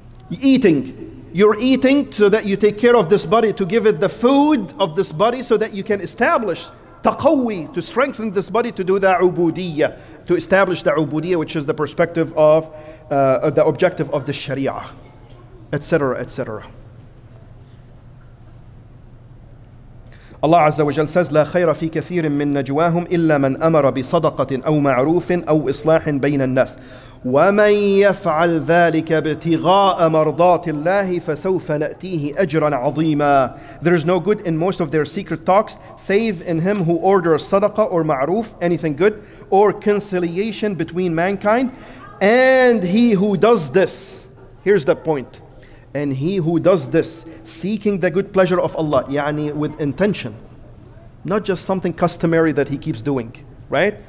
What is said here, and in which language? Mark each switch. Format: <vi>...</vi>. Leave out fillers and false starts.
<en>Eating. You're eating so that you take care of this body, to give it the food of this body so that you can establish taqawi, to strengthen this body, to do the ubudiyya, to establish the ubudiyya, which is the perspective of the objective of the sharia, etc., etc. Allah Azza wa Jal says,</en> <ar>لا خير في كثير من نجواهم إلا من أمر بصدقة أو معروف أو إصلاح بين الناس ومن يفعل ذلك ابتغاء مرضات الله فسوف نأتيه أجرا عظيما.</ar> <en>There is no good in most of their secret talks save in him who orders sadaqah or ma'roof, anything good, or conciliation between mankind. And he who does this, here's the point, and he who does this seeking the good pleasure of Allah, يعني with intention, not just something customary that he keeps doing, right?</en>